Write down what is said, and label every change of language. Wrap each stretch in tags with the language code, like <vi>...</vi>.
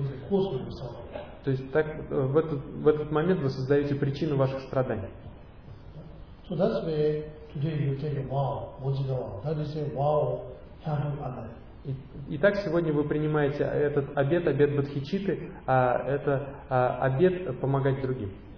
<ru>То есть так в этот момент вы создаете причину ваших страданий.</ru> <en>So that's where today you take a vow, bodhidharma. That is a vow, helping others.</en> <ru>Итак, сегодня вы принимаете этот обет, обет бодхичитты, это обет помогать другим.</ru>